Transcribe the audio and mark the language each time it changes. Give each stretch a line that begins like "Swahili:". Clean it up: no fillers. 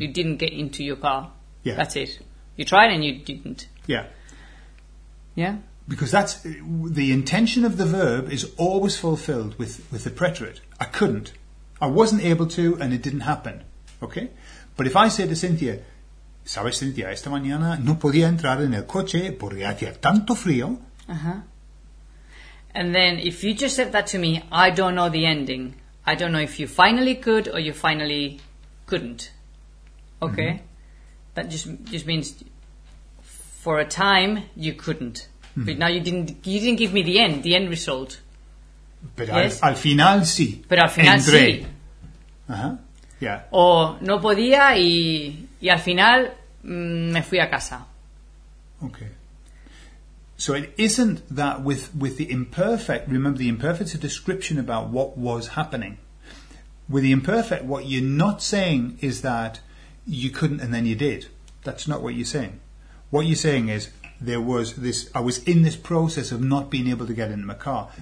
English: You didn't get into your car. Yeah. That's it. You tried and you didn't. Yeah. Yeah. Because that's the intention of the verb is always fulfilled with the preterite. I couldn't. I wasn't able to and it didn't happen. Okay? But if I say to Cynthia,
Spanish: ¿sabes, Cynthia? Esta mañana no podía entrar en el coche porque hacía tanto frío. Uh-huh.
English: And then if you just said that to me, I don't know the ending. I don't know if you finally could or you finally couldn't. Okay? Mm-hmm. That just means for a time you couldn't. Mm-hmm. But now you didn't give me the end result. But yes?
Spanish: al final sí. Pero al final entré. Sí.
English: Uh-huh. Yeah.
Spanish: O no podía y al final me fui a casa.
English: Okay. So it isn't that with the imperfect, remember the imperfect's a description about what was happening. With the imperfect, what you're not saying is that you couldn't and then you did. That's not what you're saying. What you're saying is there was this, I was in this process of not being able to get into my car.